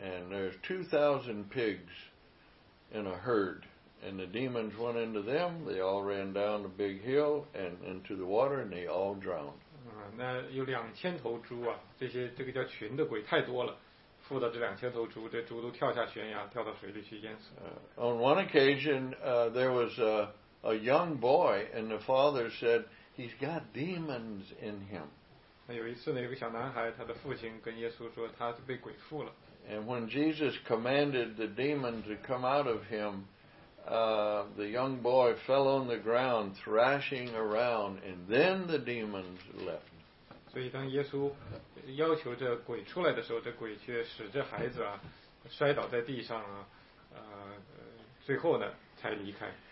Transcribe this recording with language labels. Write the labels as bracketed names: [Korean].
[English] there's 2,000 pigs in a herd, and the demons went into them. They all ran down a big hill and into the water, and they all drowned. [Chinese] 那有2,000头猪啊，这些这个叫群的鬼太多了，附到这2,000头猪，这猪都跳下悬崖，跳到水里去淹死。 [English] On one occasion, there was a young boy, and the father said he's got demons in him. [Chinese] 有一次呢，有个小男孩，他的父亲跟耶稣说，他是被鬼附了。 [English] And when Jesus commanded the demon to come out of him, the young boy fell on the ground, thrashing around, and then the demons left. [Chinese] 所以当耶稣要求这鬼出来的时候，这鬼却使这孩子啊摔倒在地上啊，最后呢才离开。